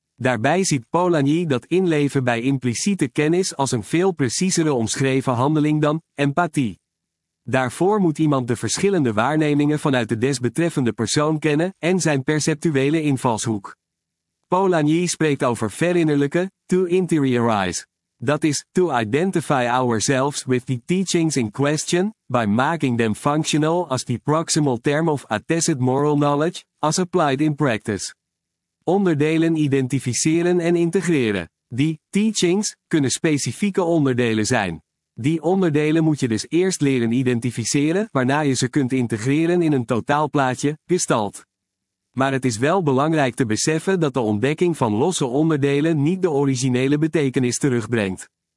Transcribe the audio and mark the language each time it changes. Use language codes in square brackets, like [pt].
[nl] Daarbij ziet Poliani dat inleven bij impliciete kennis als een veel preciezere omschreven handeling dan empathie. Daarvoor moet iemand de verschillende waarnemingen vanuit de desbetreffende persoon kennen en zijn perceptuele invalshoek. Poliani spreekt over verinnerlijke, [en] to interiorize. [nl] Dat is, [en] to identify ourselves with the teachings in question, by making them functional as the proximal term of attested moral knowledge, as applied in practice. [nl] Onderdelen identificeren en integreren. Die, teachings, kunnen specifieke onderdelen zijn. Die onderdelen moet je dus eerst leren identificeren, waarna je ze kunt integreren in een totaalplaatje, gestalt. Maar het is wel belangrijk te beseffen dat de ontdekking van losse onderdelen niet de originele betekenis terugbrengt.